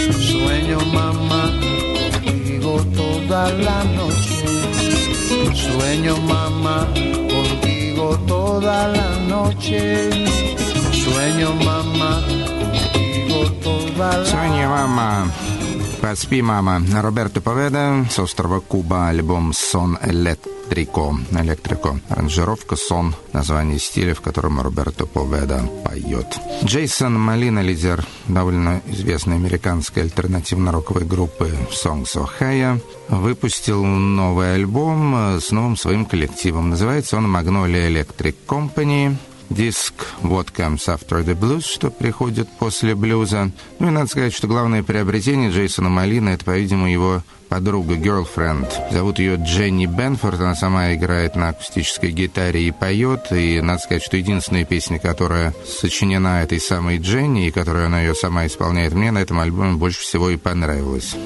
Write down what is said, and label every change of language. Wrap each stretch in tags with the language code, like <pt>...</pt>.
<es>Sueño, mamá, contigo toda la noche. Sueño, mamá, contigo toda la noche. Sueño, mamá, contigo toda la noche. Sueño, mamá.</es> <ru>«Поспи, мама». Роберто Поведа с острова Куба, альбом «Сон Электрико». «Электрико». Аранжировка «Сон», название стиля, в котором Роберто Поведа поет. Джейсон Молина, лидер довольно известной американской альтернативно-роковой группы «Songs Ohio», выпустил новый альбом с новым своим коллективом. Называется он «Magnolia Electric Company». Диск «What Comes After the Blues», что приходит после блюза. Ну и надо сказать, что главное приобретение Джейсона Молина — это, по-видимому, его подруга, girlfriend. Зовут ее Дженни Бенфорд, она сама играет на акустической гитаре и поет. И надо сказать, что единственная песня, которая сочинена этой самой Дженни, и которую она ее сама исполняет, мне на этом альбоме больше всего и понравилась.</ru>